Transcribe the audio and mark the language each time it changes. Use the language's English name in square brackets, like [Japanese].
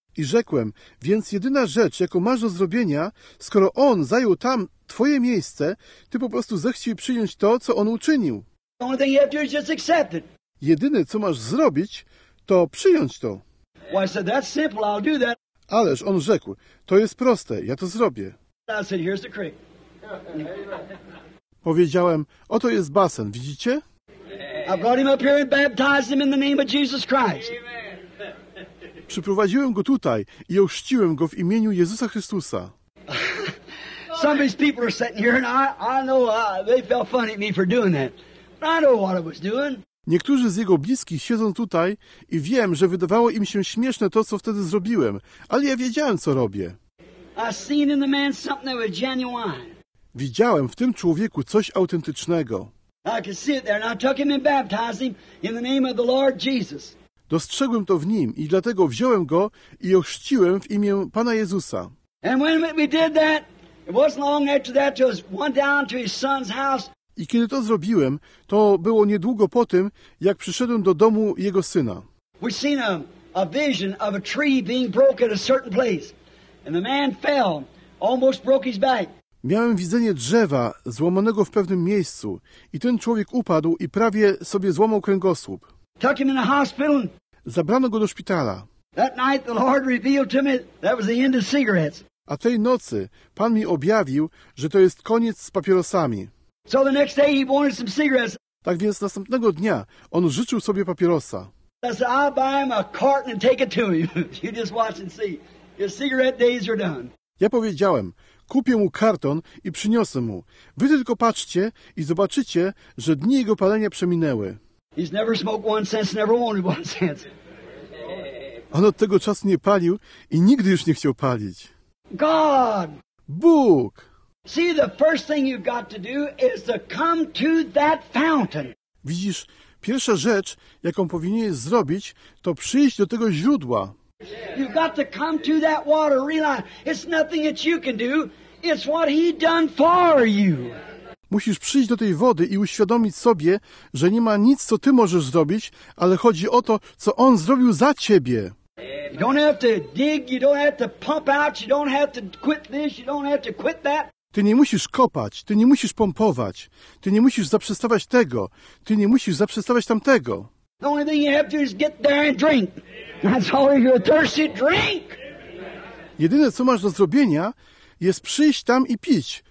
[Polish] I rzekłem, więc jedyna rzecz, jaką masz do zrobienia, skoro on zajął tam twoje miejsce, ty po prostu zechciej przyjąć to, co on uczynił. [English] The only thing you have to do is just accept it. [Polish] Jedyne, co masz zrobić, to przyjąć to. [English] Well, I said, that's simple, I'll do that. [Polish] Ależ on rzekł, to jest proste, ja to zrobię. [English] I said, here's the creek. [Polish] Powiedziałem, oto jest basen, widzicie? [English] I brought him up here and baptized him in the name of Jesus Christ. [Polish] Przyprowadziłem go tutaj i ochrzciłem go w imieniu Jezusa Chrystusa. [English] Some of these people are sitting here and I know they felt funny at me for doing that. But I know what I was doing. [Polish] Niektórzy z jego bliskich siedzą tutaj i wiem, że wydawało im się śmieszne to, co wtedy zrobiłem, ale ja wiedziałem, co robię. [English] I seen in the man something that was genuine. [Polish] Widziałem w tym człowieku coś autentycznego. [English] I could see it there, and I took him and baptized him in the name of the Lord Jesus. [Polish] Dostrzegłem to w nim i dlatego wziąłem go i ochrzciłem w imię Pana Jezusa. [English] And when we did that, it wasn't long after that till he went down to his son's house. [Polish] I kiedy to zrobiłem, to było niedługo po tym, jak przyszedłem do domu jego syna. [English] We seen a vision of a tree being broken at a certain place, and the man fell, almost broke his back. [Polish] Miałem widzenie drzewa złamanego w pewnym miejscu i ten człowiek upadł i prawie sobie złamał kręgosłup. [English] Took him in the hospital. [Polish] Zabrano go do szpitala. [English] That night the Lord revealed to me that was the end of cigarettes. [Polish] A tej nocy Pan mi objawił, że to jest koniec z papierosami. [English] So the next day he wanted some cigarettes. [Polish] Tak więc następnego dnia on życzył sobie papierosa. [English] I said, I'll buy him a carton and take it to him. You just watch and see. Your cigarette days are done. [Polish] Ja powiedziałem, kupię mu karton i przyniosę mu. Wy tylko patrzcie i zobaczycie, że dni jego palenia przeminęły. [English] He's never smoked one since, never wanted one since. [Polish] On od tego czasu nie palił i nigdy już nie chciał palić. [English] God. [Polish] Bóg. [English] See, the first thing you've got to do is to come to that fountain. [Polish] Widzisz, pierwsza rzecz, jaką powinieneś zrobić, to przyjść do tego źródła. [English] You've got to come to that water, realize it's nothing that you can do, it's what he done for you. [Polish] Musisz przyjść do tej wody i uświadomić sobie, że nie ma nic, co ty możesz zrobić, ale chodzi o to, co on zrobił za ciebie. [English] You don't have to dig, you don't have to pump out, you don't have to quit this, you don't have to quit that. [Polish] Ty nie musisz kopać, ty nie musisz pompować, ty nie musisz zaprzestawać tego, ty nie musisz zaprzestawać tamtego. [English] The only thing you have to do is get there and drink. That's all you're thirsty, drink! [Polish] Jedyne, co masz do zrobienia, jest przyjść tam i pić.